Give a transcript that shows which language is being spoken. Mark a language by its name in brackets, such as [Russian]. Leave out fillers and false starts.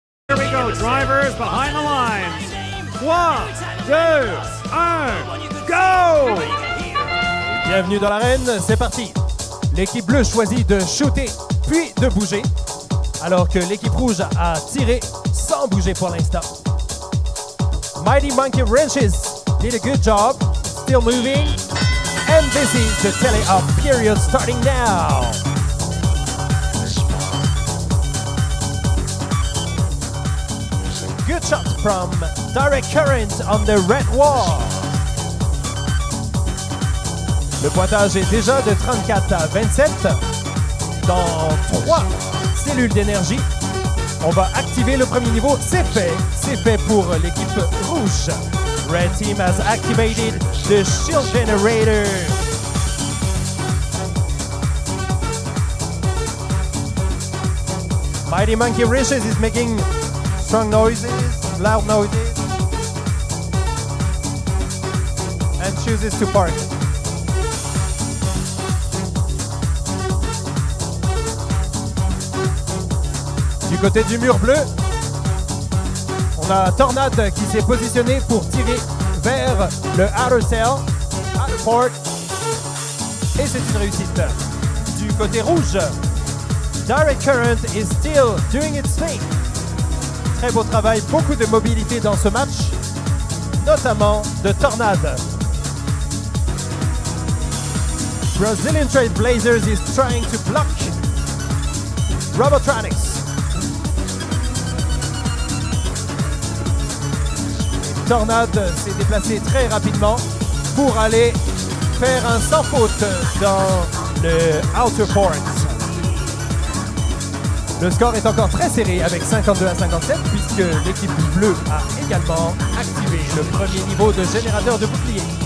[English] Now, drivers behind the line. One, [French] deux, un, [English] go! [French] Bienvenue dans l'arène, c'est parti. L'équipe bleue choisit de shooter, puis de bouger, alors que l'équipe rouge a tiré sans bouger pour l'instant. [English] Mighty Monkey Wrenches did a good job, still moving. And this is the tele-off period starting now. Good shot from Direct Current on the red wall. [French] Le pointage est déjà de 34 à 27. Dans 3 cellules d'énergie, on va activer le premier niveau. C'est fait. C'est fait pour l'équipe rouge. [English] Red Team has activated the shield generator. Mighty Monkey Riches is making strong noises, loud noises, and chooses to park. [French] Du côté du mur bleu, on a Tornade qui s'est positionné pour tirer vers le [English] outer cell, outer port, [French] et c'est une réussite. Du côté rouge, [English] Direct Current is still doing its thing. [French] Très beau travail, beaucoup de mobilité dans ce match, notamment de Tornade. [English] Brazilian Trailblazers is trying to block Robotronics. [French] Tornade s'est déplacé très rapidement pour aller faire un sans faute dans le [English] outer port. [French] Le score est encore très serré avec 52 à 57 puisque l'équipe bleue a également activé le premier niveau de générateur de bouclier.